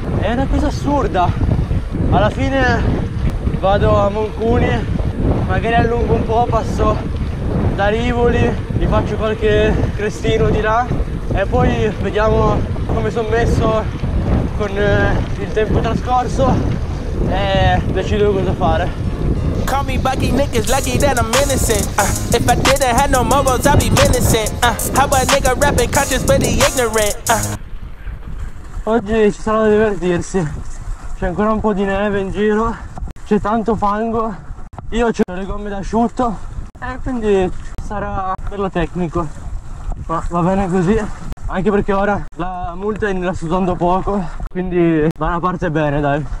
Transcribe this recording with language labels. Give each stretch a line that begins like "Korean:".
Italian: È una cosa assurda. Alla fine vado a Moncuni, magari allungo un po', passo da Rivoli, mi faccio qualche crestino di là e poi vediamo come sono messo con il tempo trascorso e decido cosa fare.
English: Call me Bucky Nick, it's lucky that I'm innocent. If I didn't have no morals, I'd be menacing. How a nigga rapping conscious but he ignorant.
Italian: Oggi ci sarà da divertirsi. C'è ancora un po' di neve in giro, c'è tanto fango, io ho le gomme da asciutto e quindi sarà bello tecnico, ma va bene così, anche perché ora la mountain la sto usando poco, quindi da una parte bene, dai.